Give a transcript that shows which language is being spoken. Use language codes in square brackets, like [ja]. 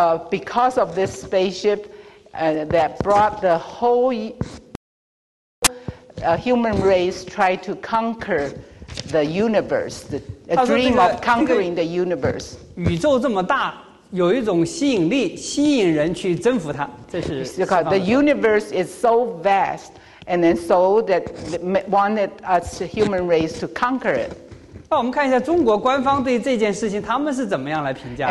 [en] Because of this spaceship that brought the whole human race try to conquer the universe, the dream of conquering the universe. [zh] 宇宙这么大，有一种吸引力，吸引人去征服它。这是西方的。 [en] The universe is so vast, and then so that wanted us human race to conquer it. [zh] 那我们看一下中国官方对这件事情他们是怎么样来评价